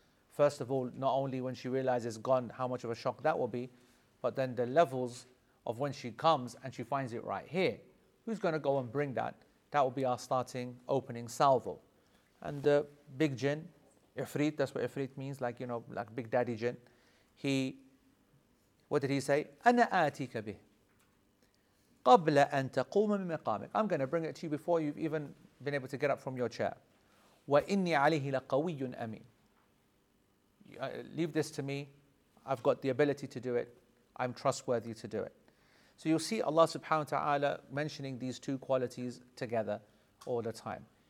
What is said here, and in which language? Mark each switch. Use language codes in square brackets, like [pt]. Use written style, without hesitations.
[en] First of all, not only when she realizes gone, how much of a shock that will be, but then the levels of when she comes and she finds it right here. Who's going to go and bring that? That will be our starting opening salvo. And the big jinn, Ifrit, that's what Ifrit means, like, you know, like big daddy jinn. He, what did he say? [ar] أَنَا آتِيكَ بِهِ قبل أن تقوم من مقامك. [en] I'm going to bring it to you before you've even been able to get up from your chair. [ar] وَإِنِّي عَلَيْهِ لَقَوِيٌّ أَمِينٌ. [en] leave this to me. I've got the ability to do it. I'm trustworthy to do it. So you'll see Allah subhanahu wa ta'ala mentioning these two qualities together all the time.